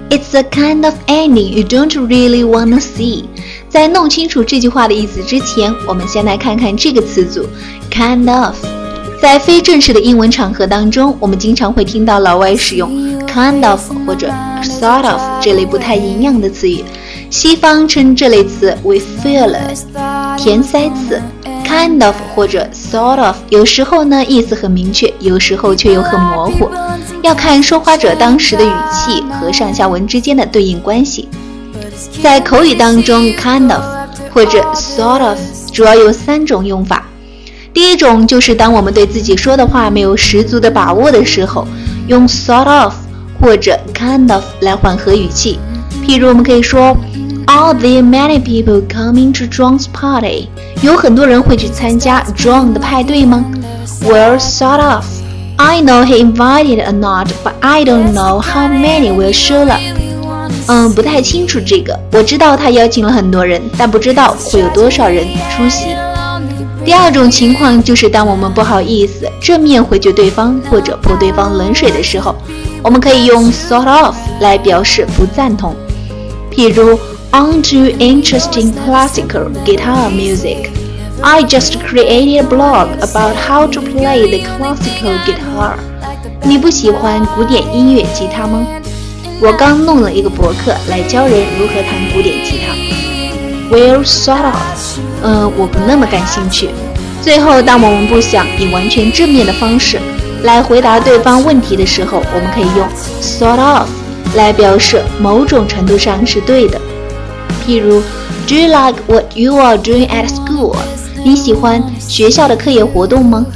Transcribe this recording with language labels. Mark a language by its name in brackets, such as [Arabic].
[English] The kind of ending you don't really wanna see. [Chinese] 在弄清楚这句话的意思之前，我们先来看看这个词组 kind of. 在非正式的英文场合当中，我们经常会听到老外使用 kind of 或者 sort of 这类不太一样的词语，西方称这类词为 filler 填塞词。 kind of 或者 sort of 有时候呢意思很明确，有时候却又很模糊，要看说话者当时的语气和上下文之间的对应关系。在口语当中， kind of 或者 sort of 主要有三种用法。第一种就是当我们对自己说的话没有十足的把握的时候，用 sort of 或者 kind of 来缓和语气。譬如我们可以说 [English] All the many people coming to John's party， [Chinese] 有很多人会去参加 John 的派对吗？ [English] Well sort of I know he invited or not but I don't know how many will show up。 [Chinese] 不太清楚这个，我知道他邀请了很多人，但不知道会有多少人出席。第二种情况就是当我们不好意思正面回绝对方或者泼对方冷水的时候，我们可以用 sort of 来表示不赞同。譬如 [English] Aren't you interested in classical guitar music? I just created a blog about how to play the classical guitar。 [Chinese] 你不喜欢古典音乐吉他吗？我刚弄了一个博客来教人如何弹古典吉他。 [English] Well, sort of [Chinese] 我不那么感兴趣。最后，当我们不想以完全正面的方式来回答对方问题的时候，我们可以用 sort of 来表示某种程度上是对的。譬如 [English] Do you like what you are doing at school? [Chinese] 你喜欢学校的课业活动吗？